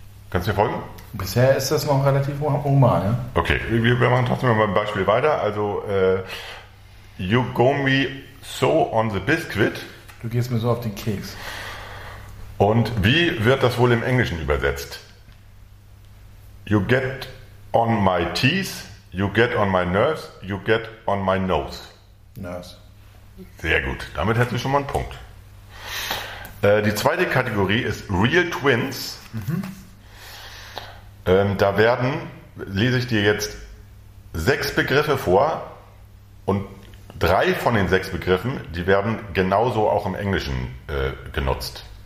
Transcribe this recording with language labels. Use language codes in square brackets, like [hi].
[de] Kannst du mir folgen? Bisher ist das noch relativ normal. Ja? Okay, wir machen trotzdem mal ein Beispiel weiter. [en] Also, you go me so on the biscuit. [de] Du gehst mir so auf den Keks. Und wie wird das wohl im Englischen übersetzt? [en] You get on my teeth, you get on my nerves, you get on my nose. Nerves. [de] Sehr gut, damit hättest du schon mal einen Punkt. Die zweite Kategorie ist Real Twins. Mhm. Da werden, lese ich dir jetzt, 6 Begriffe vor und 3 von den 6 Begriffen, die werden genauso auch im Englischen genutzt.